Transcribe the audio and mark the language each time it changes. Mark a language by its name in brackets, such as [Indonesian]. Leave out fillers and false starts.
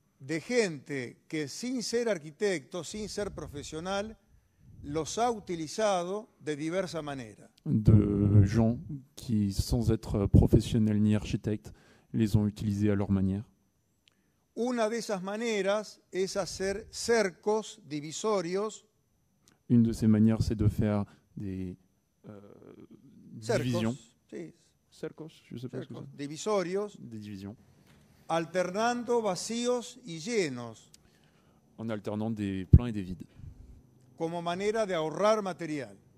[Spanish] De gente que sin ser arquitecto, sin ser profesional, los ha utilizado de diversa manera. [French] De gens qui, sans être professionnels ni architectes, les ont utilisés à leur manière. [Spanish] Una de esas maneras es hacer cercos divisorios. [French] Une de ces manières, c'est de faire des divisions. [Spanish] Cercos, [French] je sais pas ce que c'est. [Spanish] Divisorios. [French] Des divisions. [Spanish] Alternando vacíos y llenos. [French] En alternant des pleins et des vides. [Spanish] Como manera de ahorrar material.